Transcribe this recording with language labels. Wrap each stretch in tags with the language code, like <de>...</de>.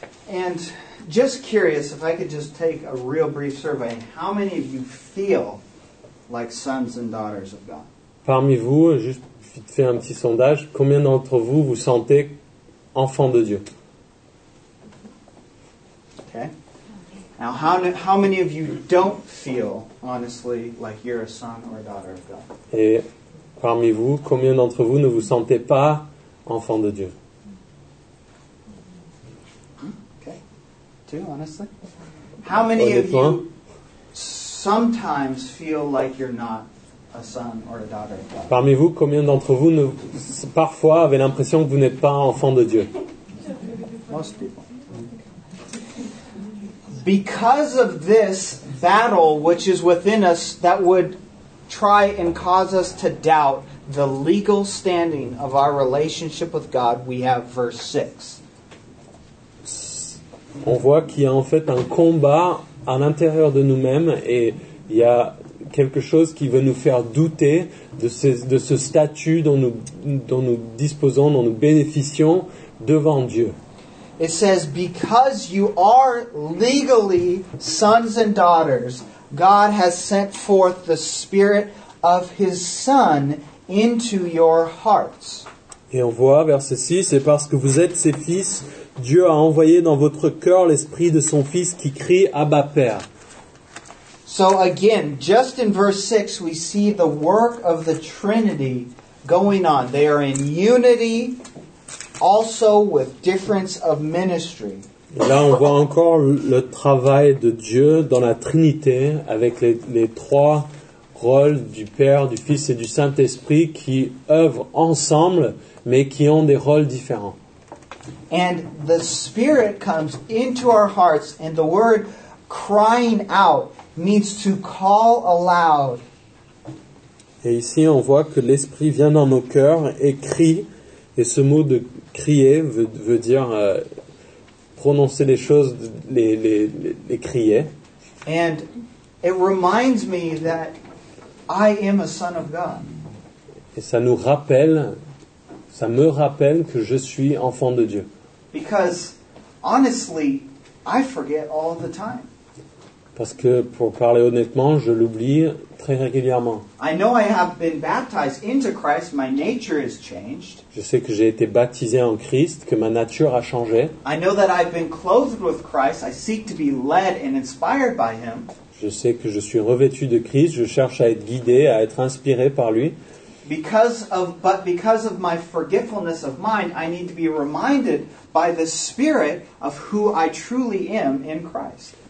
<en>And just curious, if I could just take a real brief survey, how many of you feel like sons and daughters of God?</en> <fr>Parmi vous, juste faire un petit sondage, combien d'entre vous vous sentez enfants de Dieu?</fr> <en>Now, how many of you don't feel, honestly, like you're a son or a daughter of God?</en> <fr>Et parmi vous, combien d'entre vous ne vous sentez pas enfant de Dieu?</fr> <en>Okay. Two, honestly. How many of you sometimes feel like you're not a son or a daughter of God?</en> <fr>Parmi vous, combien d'entre vous ne, parfois avez l'impression que vous n'êtes pas enfant de Dieu?</fr> <en>Most people. Because of this battle which is within us that would try and cause us to doubt the legal standing of our relationship with God, we have verse 6.</en> <fr>On voit qu'il y a en fait un combat à l'intérieur de nous-mêmes et il y a quelque chose qui veut nous faire douter de ce statut dont nous disposons, dont nous bénéficions devant Dieu.</fr> <en>It says, because you are legally sons and daughters, God has sent forth the Spirit of His Son into your hearts.</en> <fr>Et on voit, verset 6, c'est parce que vous êtes ses fils, Dieu a envoyé dans votre cœur l'Esprit de son Fils qui crie, Abba Père.</fr> <en>So again, just in verse 6, we see the work of the Trinity going on. They are in unity. Also with difference of ministry.</en> <fr>Là, on voit encore le travail de Dieu dans la Trinité avec les trois rôles du Père, du Fils et du Saint-Esprit qui œuvrent ensemble mais qui ont des rôles différents.</fr> <en>And the Spirit comes into our hearts and the word crying out means to call aloud.</en> <fr>Et ici, on voit que l'Esprit vient dans nos cœurs et crie. Et ce mot de crier veut dire prononcer les choses, les crier.</fr> <en>And it reminds me that I am a son of God.</en> <fr>Et ça nous rappelle, ça me rappelle que je suis enfant de Dieu.</fr> <en>Because honestly, I forget all the time.</en> <fr>Parce que, pour parler honnêtement, je l'oublie très régulièrement.</fr> <en>I know I have been baptized into Christ. My nature has changed.</en> <fr>Je sais que j'ai été baptisé en Christ, que ma nature a changé.</fr> <en>I know that I've been clothed with Christ. I seek to be led and inspired by Him.</en> <fr>Je sais que je suis revêtu de Christ. Je cherche à être guidé, à être inspiré par Lui.</fr> <en>Because of my forgetfulness of mind, I need to be reminded by the Spirit of who I truly am in Christ.</en>